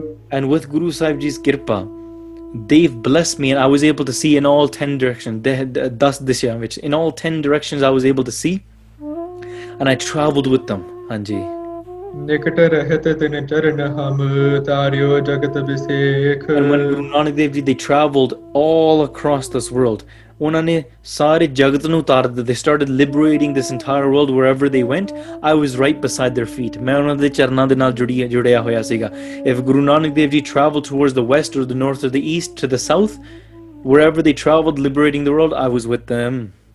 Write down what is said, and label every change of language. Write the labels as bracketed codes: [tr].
[en] And with Guru Sahib Ji's kirpa, they've blessed me and I was able to see in all 10 directions. In all 10 directions I was able to see. And I traveled with them, Hanji. [pa] ਨਿਕਟ ਰਹਿਤ ਤਿਨ ਚਰਨ ਹਮ ਤਾਰਿਓ ਜਗਤ ਵਿਸੇਖ [en] And when Guru Nanak Dev Ji, they traveled all across this world. They started liberating this entire world wherever they went. I was right beside their feet. If Guru Nanak Dev Ji traveled towards the west or the north or the east to the south, wherever they traveled liberating the world, I was with them.